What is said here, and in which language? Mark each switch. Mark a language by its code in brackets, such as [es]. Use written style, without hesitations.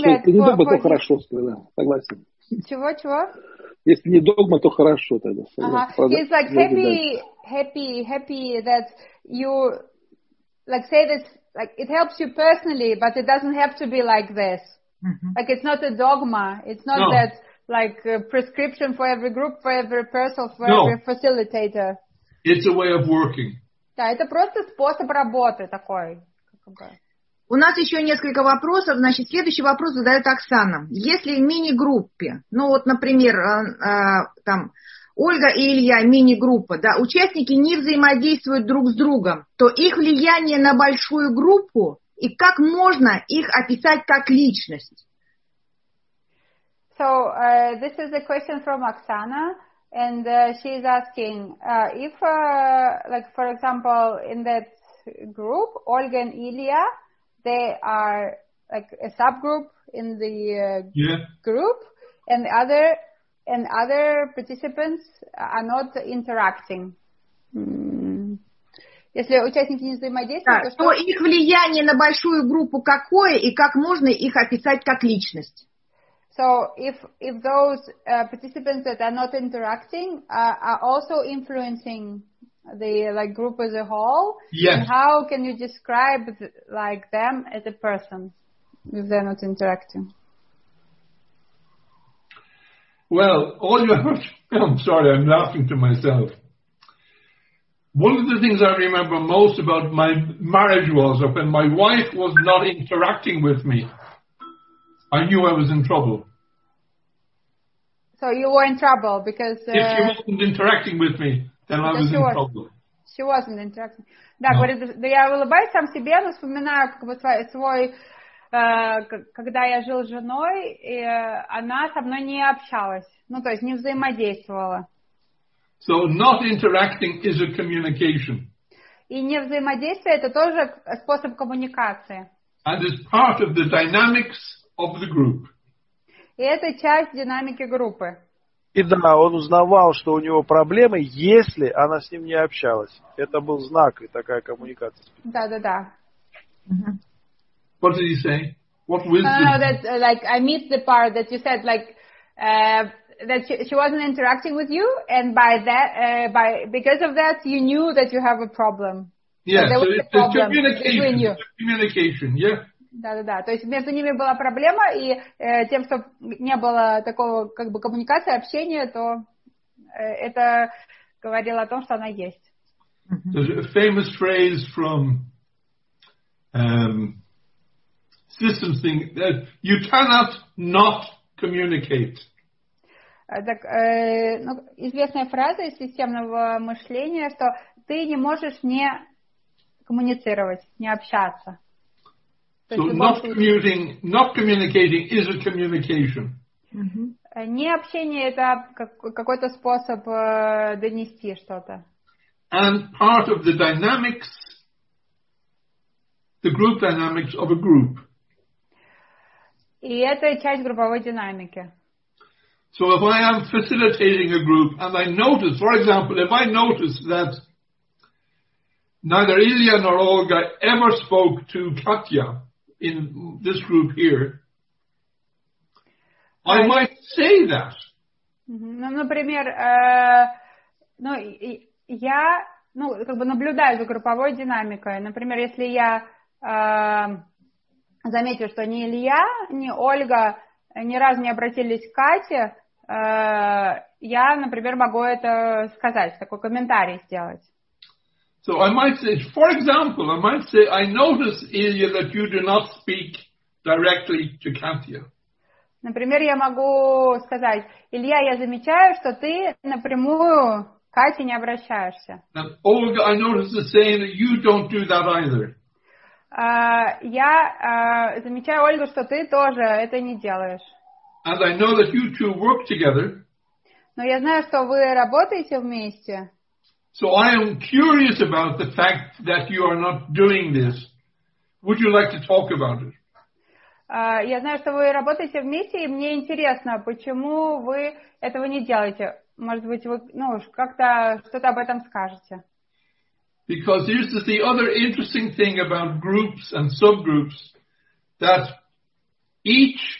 [ru] that... Ты не думай, что хорошо сказал, согласен. Чего, чего? Если не догма, то хорошо тогда. [en] It's like happy that you like say this, like it helps you personally, but it doesn't have to be like this. Mm-hmm. Like it's not a dogma. It's not that like a prescription for every group, for every person, for every facilitator. It's a way of working. [ru] Да, это просто способ работы такой. У нас еще несколько вопросов. Значит, следующий вопрос задает Оксана. Если в мини-группе, ну вот, например, там Ольга и Илья, мини-группа, да, участники не взаимодействуют друг с другом, то их влияние на большую группу и как можно их описать как личность? [en] So, this is a question from Оксана. And she's asking, if, like, for example, in that group, Olga and Ilya, they are, like, a subgroup in the group, and other participants are not interacting. [ru] Если участники не взаимодействуют, то что... их влияние на большую группу какое, и как можно их описать как личность? [en] So if those participants that are not interacting are also influencing the like group as a whole, yes. Then how can you describe like them as a person if they're not interacting? Well, all you have to, I'm sorry, I'm laughing to myself. One of the things I remember most about my marriage was when my wife was not interacting with me, I knew I was in trouble. So you were in trouble because... if she wasn't interacting with me, then I was in trouble. She wasn't interacting. Да, no. [ru] Говорит, я улыбаюсь сам себе, но вспоминаю как бы свой... когда я жил с женой, и она со мной не общалась. Ну, то есть не взаимодействовала. [en] So not interacting is a communication. [ru] И не взаимодействие — это тоже способ коммуникации. [en] And it's part of the dynamics of the group. [ru] И это часть динамики группы. И да, он узнавал, что у него проблемы, если она с ним не общалась. Это был знак и такая коммуникация. Да. [en] What did you say? What wisdom? No, that like I missed the part that you said, like that she wasn't interacting with you, and by that, by because of that, you knew that you have a problem. Yeah, so it's communication. Communication, yeah. [ru] Да. То есть между ними была проблема, и тем, что не было такого как бы коммуникации, общения, то это говорило о том, что она есть. [en] There's a famous phrase from systems thing that you cannot not communicate. [ru] Так, ну, известная фраза из системного мышления, что ты не можешь не коммуницировать, не общаться. [en] So not communicating is a communication. [ru] Не общение — это какой-то способ донести что-то. [en] And part of the dynamics, the group dynamics of a group. [ru] И это часть групповой динамики. [en] So if I am facilitating a group and I notice, for example, if I notice that neither Ilya nor Olga ever spoke to Katya, in this group here, I might say that. [ru] Ну, например, ну я, ну как бы наблюдаю за групповой динамикой. Например, если я заметил, что ни Илья, ни Ольга ни разу не обратились к Кате, я, например, могу это сказать, такой комментарий сделать. [en] So I might say, for example, I might say, I notice, Ilya, that you do not speak directly to Katya. [ru] Например, я могу сказать, Илья, я замечаю, что ты напрямую к Кате не обращаешься. [en] And Olga, I notice the same, that you don't do that either. [ru] Я замечаю, Ольга, что ты тоже это не делаешь. [en] And I know that you two work together. [ru] Но я знаю, что вы работаете вместе. [en] So I am curious about the fact that you are not doing this. Would you like to talk about it? [ru] Я знаю, что вы работаете вместе, и мне интересно, почему вы этого не делаете. Может быть, вы, ну, как-то что-то об этом скажете. [en] Because here's the other interesting thing about groups and subgroups, that each